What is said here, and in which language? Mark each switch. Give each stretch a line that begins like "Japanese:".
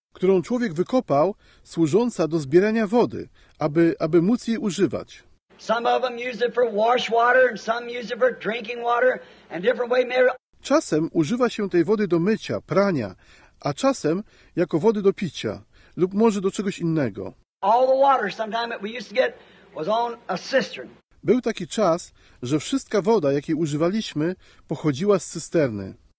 Polish: Którą człowiek wykopał, służąca do zbierania wody, aby móc jej używać.
English: Some of them use it for wash water, and some use it for drinking water, and different way maybe.
Polish: Czasem używa się tej wody do mycia, prania, a czasem jako wody do picia, lub może do czegoś innego.
English: All the water sometimes that we used to get was on a cistern.
Polish: Był taki czas, że wszystka woda, jakiej używaliśmy, pochodziła z cysterny.